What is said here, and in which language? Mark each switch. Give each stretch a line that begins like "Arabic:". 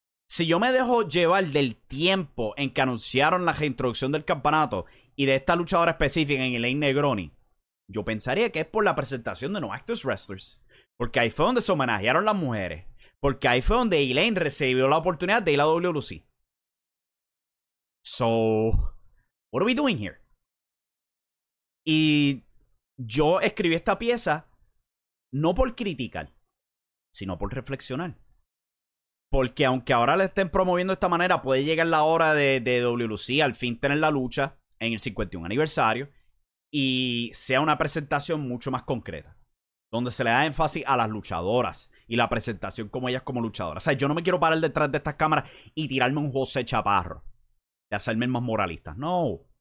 Spanish: Si yo me dejo llevar del tiempo en que anunciaron la reintroducción del campeonato y de esta luchadora específica en Elaine Negroni, yo pensaría que es por la presentación de No Actors Wrestlers. Porque ahí fue donde se homenajearon las mujeres. Porque ahí fue donde Elaine recibió la oportunidad de ir a WLC.
English: So, what are we doing here?
Spanish: Y yo escribí esta pieza no por criticar, sino por reflexionar. Porque aunque ahora le estén promoviendo de esta manera, puede llegar la hora de WLC al fin tener la lucha en el 51 aniversario y sea una presentación mucho más concreta, donde se le da énfasis a las luchadoras y la presentación como ellas como luchadoras. O sea, yo no me quiero parar detrás de estas cámaras y tirarme un José Chaparro y hacerme el más moralista. No.